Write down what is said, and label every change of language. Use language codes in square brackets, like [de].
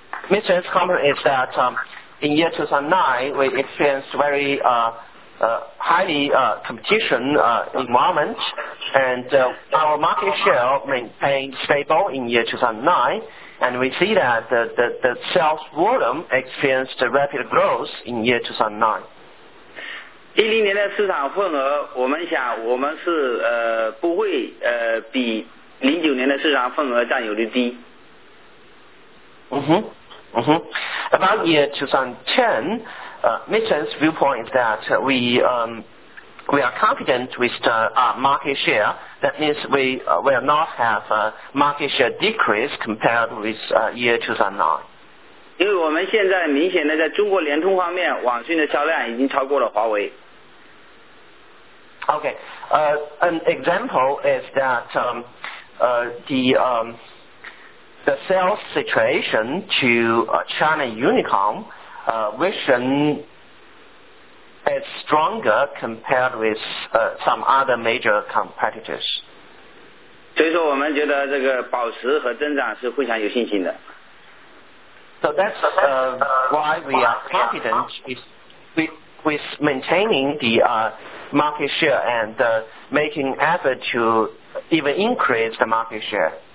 [en] Mitchell's comment is that in year 2009 we experienced very highly competition environment, and our market share maintained stable in year 2009, and we see that the sales volume experienced a rapid growth in year 2009. [zh] 2010年的市场份额，我们想我们是不会比2009年的市场份额占有率低。 [en] About year 2010, Mitchell's viewpoint is that we are confident with the market share. That means we will not have a market share decrease compared with year 2009. [zh] 因为我们现在明显的在中国联通方面，网讯的销量已经超过了华为。 [en] Okay, an example is that the sales situation to China Unicom. Vision is stronger compared with some other major competitors. [zh] 所以说我们觉得这个保持和增长是非常有信心的。 [en] So that's why we are confident with maintaining the market share and making effort to even increase the market share.